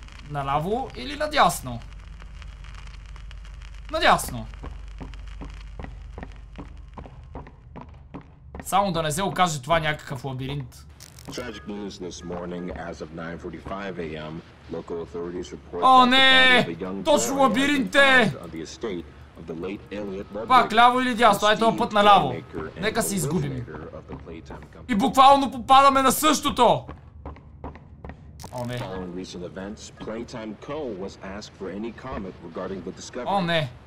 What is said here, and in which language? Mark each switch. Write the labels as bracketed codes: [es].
[bg] Наляво или надясно? Надясно. Само да не се окаже това някакъв лабиринт. [en] Tragic news this morning as of 9:45 a.m. Local authorities report that the body of a young boy was found on the estate of the late Elliot Ludwig. [bg] Пак, ляво или дясно, ето е път наляво. Нека се изгубим. И буквално попадаме на същото. О, не. [en] Following recent events, Playtime Co. was asked for any comment regarding the discovery. [bg] О, не.